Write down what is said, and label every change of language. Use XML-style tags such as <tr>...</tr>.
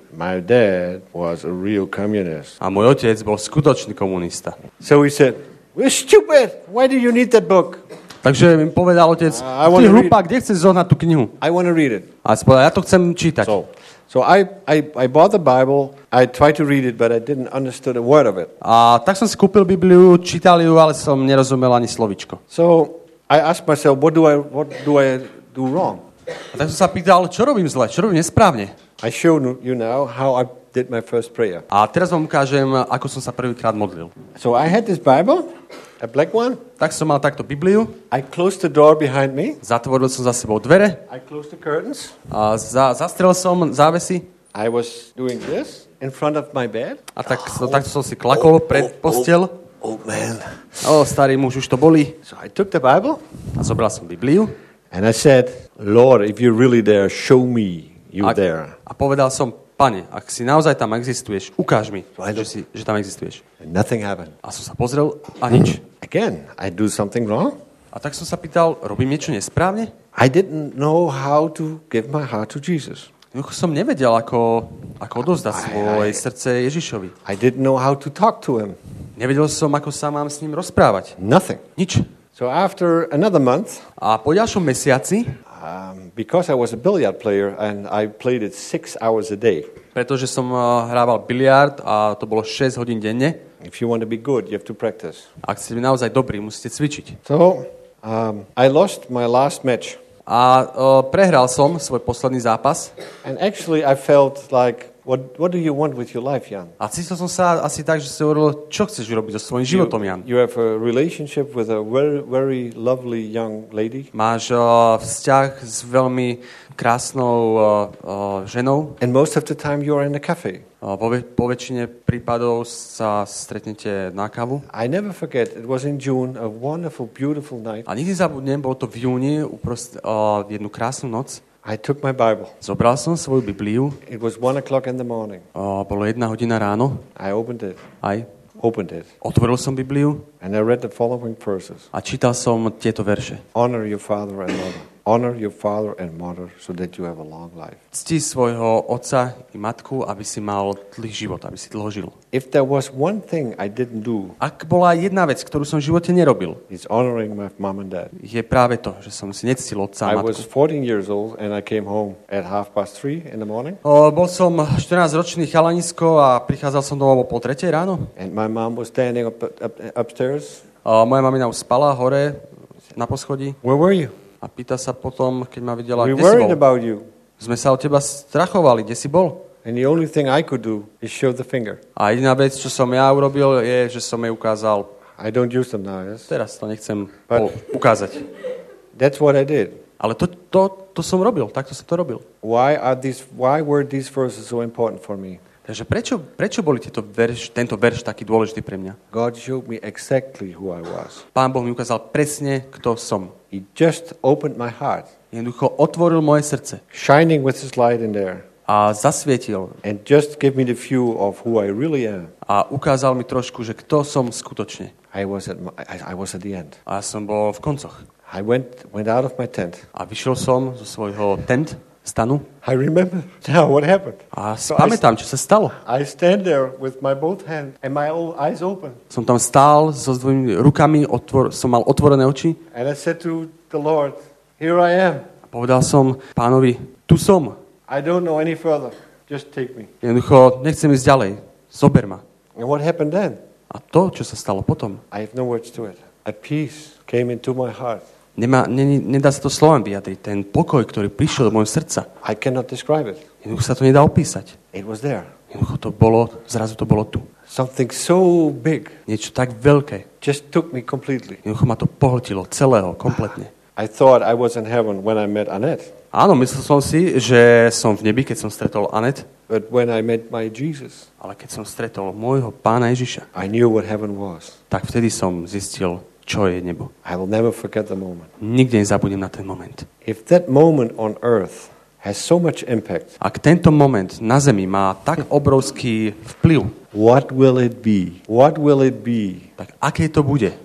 <en>My dad was a real communist.</en> <sk>A môj otec bol skutočný komunista.</sk> <en>So he said, "You're stupid. Why do you need that book?"</en> <sk>Takže mi povedal otec, ty hlupák, kde chceš zohnať tú knihu?</sk> <en>I want to read it.</en> <sk>A spodal, ja to chcem čítať.</sk> <en>So I bought the Bible. I tried to read it, but I didn't understand a word of it.</en> <sk>A tak som si kúpil Bibliu, čítal ju, ale som nerozumel ani slovičko.</sk> <en>So I asked myself, what do I do wrong?</en> <sk>A tak som sa pýtal, čo robím zle, čo robím nesprávne?</sk> <en>I show you now how I did my first prayer.</en> <sk>A teraz vám ukážem, ako som sa prvýkrát modlil.</sk> <en>So I had this Bible, a black one.</en> <sk>Tak som mal takto Bibliu.</sk> <en>I closed the door behind me.</en> <sk>Zatvoril som za sebou dvere.</sk> <en>I closed the curtains.</en> <sk>A zastrel som závesy.</sk> <en>I was doing this in front of my bed.</en> <sk>A tak takto som si klakol pred posteľ.</sk> <en>Oh man.</en> <sk>Oh, starý muž, už to bolí.</sk> <en>So I took the Bible.</en> <sk>A zobral som Bibliu.</sk> <en>And I said, Lord, if you're really there, show me you there.</en> <sk>A povedal som, Pane, ak si naozaj tam existuješ, ukáž mi, že tam existuješ.</sk> <en>Nothing happened.</en> <sk>A som sa pozrel a nič.</sk> <en>Again, I do something wrong?</en> <sk>A tak som sa pýtal, robím niečo nesprávne?</sk> <en>I didn't know how to give my heart to Jesus.</en> <sk>Jednoducho som nevedel, ako odovzdať svoje srdce Ježišovi.</sk> <en>I didn't know how to talk to him.</en> <sk>Nevedel som, ako sa mám s ním rozprávať.</sk> <en>Nothing.</en> <sk>Nič.</sk> <en>So after another month,</en> <sk>a po ďalšom mesiaci,</sk> <en>because I was a billiard player and I played it 6 hours a day.</en> <sk>Pretože som hrával biliard a to bolo 6 hodín denne.</sk> <en>If you want to be good, you have to practice.</en> <sk>Ak chcete byť naozaj dobrý, musíte cvičiť.</sk> <en>So, I lost my last match.</en> <sk>A prehral som svoj posledný zápas.</sk> <en>And actually I felt like what do you want with your life, Jan?</en> <sk>A cítil som sa asi tak, že si hovoril, čo chceš robiť so svojím životom, Jan?</sk> <en>You have a relationship with a very, very lovely young lady.</en> <sk>Máš vzťah s veľmi krásnou ženou.</sk> <en>And most of the time you are in a cafe.</en> <sk>Po väčšine prípadov sa stretnete na kávu.</sk> <en>I never forget, it was in June, a wonderful, beautiful night.</en> <sk>A nikdy zabudnem, bolo to v júni, jednu krásnu noc.</sk> <en>I took my Bible.</en> <sk>Zobral som svoju Bibliu.</sk> <en>It was 1 o'clock in the morning.</en> <sk>Bolo 1 hodina ráno.</sk> <en>I opened it.</en> <sk>Otvoril som Bibliu.</sk> <en>And I read the following verses.</en> <sk>A čítal som tieto verše.</sk> <en>Honor your father and mother. Honor your father and mother so that you have a long life.</en> <sk>Cti svojho otca i matku, aby si mal dlhý život, aby si dlho žil.</sk> <en>If there was one thing I didn't do.</en> <sk>Ak bola jedna vec, ktorú som v živote nerobil.</sk> <en>It's honoring my mom and dad.</en> <sk>Je práve to, že som si nectil otca a matku.</sk> <en>I was 14 years old and I came home at 3:30 in the morning.</en> <sk>Bol som 14-ročný chalanisko a prichádzal som domov po 3:00 ráno.</sk> <en>And my mom was standing upstairs.</en> <sk>Moja mamina už spala hore na poschodí.</sk> <en>Where were you?</en> <sk>A pýta sa potom, keď ma videla,</sk> <en>we</en> <sk>kde si bol.</sk> <en>Worried about you.</en> <sk>Sme sa o teba strachovali, kde si bol.</sk> <en>And the only thing I could do is show the finger.</en> <sk>A jediná vec, čo som ja urobil, je, že som jej ukázal.</sk> <en>I don't use them now, yes?</en> <sk>Teraz to nechcem ukázať.</sk> <en>That's what I did.</en> <sk>Ale to som robil, takto som to robil.</sk> <en>Why were these verses so important for me?</en> <sk>Takže prečo boli tento verš taký dôležitý pre mňa?</sk> <en>God showed me exactly who I was.</en> <sk>Pán Boh mi ukázal presne, kto som.</sk> <en>He just opened my heart.</en> <sk>Jednoducho otvoril moje srdce.</sk> <en>Shining with his light in there.</en> <sk>A zasvietil.</sk> <en>And just gave me the view of who I really am.</en> <sk>A ukázal mi trošku, že kto som skutočne.</sk> <en>I was at the end.</en> <sk>A ja som bol v koncoch. I went out of my tent. A vyšiel som zo svojho tent. Stanu.</sk> <en>I remember now what happened.</en> <sk>A pamätám, čo sa stalo.</sk> <en>I stand there with my both hands and my eyes open.</en> <sk>Som tam stál so svojimi rukami, som mal otvorené oči.</sk> <en>And I said to the Lord, here I am.</en> <sk>A povedal som pánovi, tu som.</sk> <en>I don't know any further. Just take me.</en> <sk>Jednoducho, nechcem ísť ďalej. Zober ma.</sk> <en>And what happened then?</en> <sk>A to, čo sa stalo potom.</sk> <en>I have no words to it. A peace came into my heart.</en> <sk>Nedá sa to slovom vyjadriť, ten pokoj, ktorý prišiel do môjho srdca.</sk> <en>I cannot describe it.</en> <sk>Jednoducho sa to nedá opísať.</sk> <en>It was there.</en> <sk>Jednoducho to bolo, zrazu to bolo tu.</sk> <en>Something so big.</en> <sk>Niečo tak veľké.</sk> <en>Just took me completely.</en> <sk>Jednoducho ma to pohltilo celého, kompletne.</sk> <en>I thought I was in heaven when I met Annette.</en> <sk>Áno, myslel som si, že som v nebi, keď som stretol Annette.</sk> <en>But when I met my Jesus.</en> <sk>Ale keď som stretol môjho Pána Ježiša.</sk> <en>I knew what heaven was.</en> <sk>Tak vtedy som zistil, čo je nebo.</sk> <en>I will never forget the moment.</en> <sk>Nikdy nezabudnem na ten moment.</sk> <en>If that moment on earth has so much impact.</en> <sk>Ak tento moment na zemi má tak obrovský vplyv.</sk> <en>What will it be? What will it be?</en> <sk>Tak aké to bude?</sk>